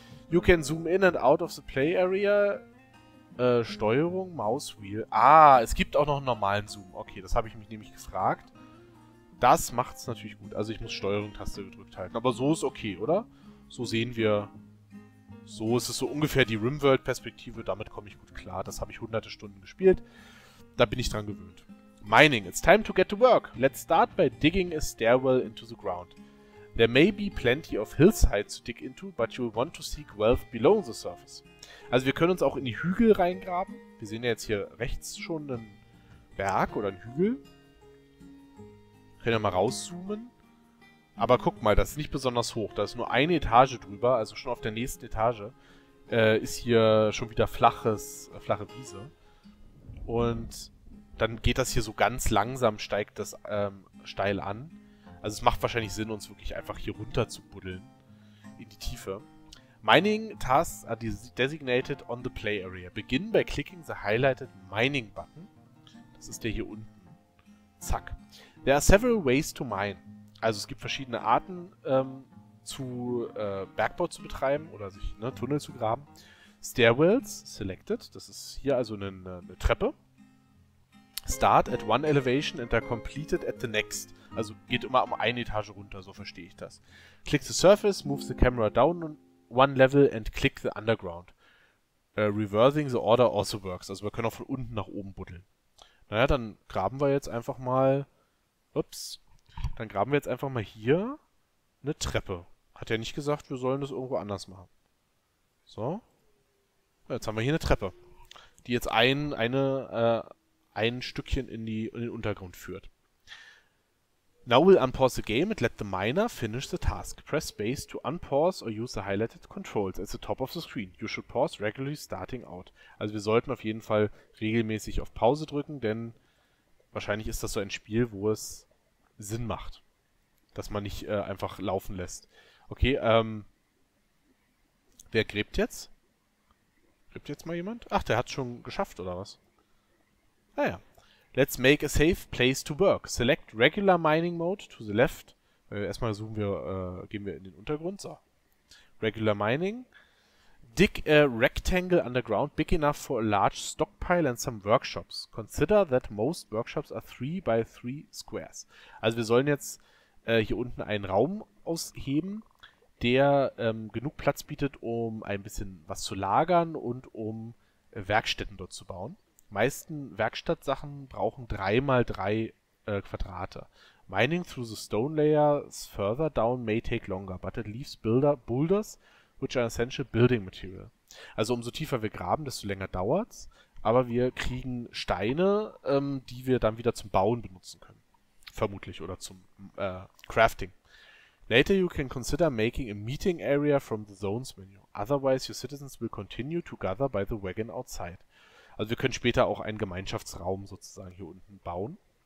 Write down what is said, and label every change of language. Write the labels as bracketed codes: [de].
[en] You can zoom in and out of the play area. [de] Steuerung, Mouse-Wheel. Ah, es gibt auch noch einen normalen Zoom. Okay, das habe ich mich nämlich gefragt. Das macht es natürlich gut. Also ich muss Steuerung-Taste gedrückt halten. Aber so ist okay, oder? So sehen wir... So ist es so ungefähr die RimWorld-Perspektive. Damit komme ich gut klar. Das habe ich hunderte Stunden gespielt. Da bin ich dran gewöhnt. Mining. [en] It's time to get to work. Let's start by digging a stairwell into the ground. There may be plenty of hillside to dig into, but you want to seek wealth below the surface. [de] Also wir können uns auch in die Hügel reingraben. Wir sehen ja jetzt hier rechts schon einen Berg oder einen Hügel. Wir können ja mal rauszoomen. Aber guck mal, das ist nicht besonders hoch. Da ist nur eine Etage drüber, also schon auf der nächsten Etage, ist hier schon wieder flache Wiese. Und dann geht das hier so ganz langsam, steil an. Also es macht wahrscheinlich Sinn, uns wirklich einfach hier runter zu buddeln in die Tiefe. [en] Mining tasks are designated on the play area. Begin by clicking the highlighted mining button. [de] Das ist der hier unten. Zack. [en] There are several ways to mine. [de] Also es gibt verschiedene Arten, Bergbau zu betreiben oder sich Tunnel zu graben. [en] Stairwells selected. [de] Das ist hier also eine Treppe. [en] Start at one elevation and are completed at the next. [de] Also geht immer um eine Etage runter, so verstehe ich das. [en] Click the surface, move the camera down one level and click the underground. Reversing the order also works. [de] Also wir können auch von unten nach oben buddeln. Naja, dann graben wir jetzt einfach mal... Dann graben wir jetzt einfach mal hier eine Treppe. Hat ja nicht gesagt, wir sollen das irgendwo anders machen. So. Jetzt haben wir hier eine Treppe, die jetzt ein Stückchen in den Untergrund führt. [en] Now we'll unpause the game and let the miner finish the task. Press space to unpause or use the highlighted controls at the top of the screen. You should pause regularly starting out. [de] Also wir sollten auf jeden Fall regelmäßig auf Pause drücken, denn wahrscheinlich ist das so ein Spiel, wo es Sinn macht, dass man nicht einfach laufen lässt. Okay, wer gräbt jetzt? Gräbt jetzt mal jemand? Ach, der hat's schon geschafft, oder was? Naja. [en] Let's make a safe place to work. Select regular mining mode to the left. [de] Erstmal zoomen wir, gehen wir in den Untergrund. [en] So. Regular mining. Dig a rectangle underground big enough for a large stockpile and some workshops. Consider that most workshops are 3x3 squares. [de] Also wir sollen jetzt hier unten einen Raum ausheben, der genug Platz bietet, um ein bisschen was zu lagern und um Werkstätten dort zu bauen. Meisten Werkstattsachen brauchen 3x3 Quadrate. [en] Mining through the stone layers further down may take longer, but it leaves boulders which are essential building material. [de] Also umso tiefer wir graben, desto länger dauert's. Aber wir kriegen Steine, die wir dann wieder zum Bauen benutzen können. Vermutlich, oder zum Crafting. [en] Later you can consider making a meeting area from the zones menu. Otherwise your citizens will continue to gather by the wagon outside. [de] Also wir können später auch einen Gemeinschaftsraum sozusagen hier unten bauen.